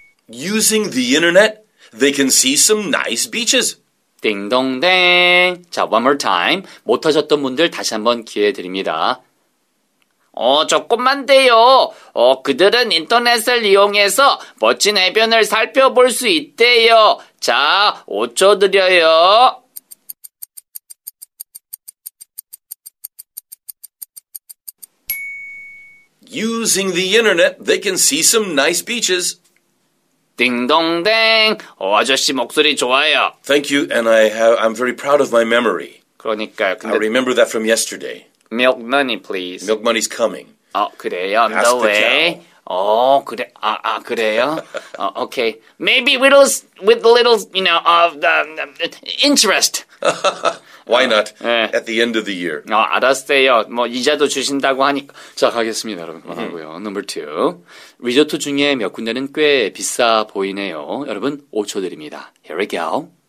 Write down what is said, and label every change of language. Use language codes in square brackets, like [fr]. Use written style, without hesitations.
[en] Using the internet, they can see some nice beaches. [ko] 딩동댕. 자, [en] one more time. [ko] 못하셨던 분들 다시 한번 기회 드립니다. 조금만 돼요. 그들은 인터넷을 이용해서 멋진 해변을 살펴볼 수 있대요. 자, 5초 드려요. [en] Using the internet, they can see some nice beaches. [ko] 딩동댕. 아저씨 목소리 좋아요. [en] Thank you, and I'm very proud of my memory. [ko] 그러니까요. 근데 [en] I remember that from yesterday. Milk money, please. Milk money's coming. [ko] 그래요? [en] On the way. Cow. [ko] 그래요? okay. [en] Maybe with little, you know, of the interest. Why not? 네. At the end of the year. [ko] 알았어요. 뭐 이자도 주신다고 하니까. 자, 가겠습니다, 여러분. 하고요. [en] Number two. [ko] 리조트 중에 몇 군데는 꽤 비싸 보이네요. 여러분, 5초 드립니다. [en] Here we go.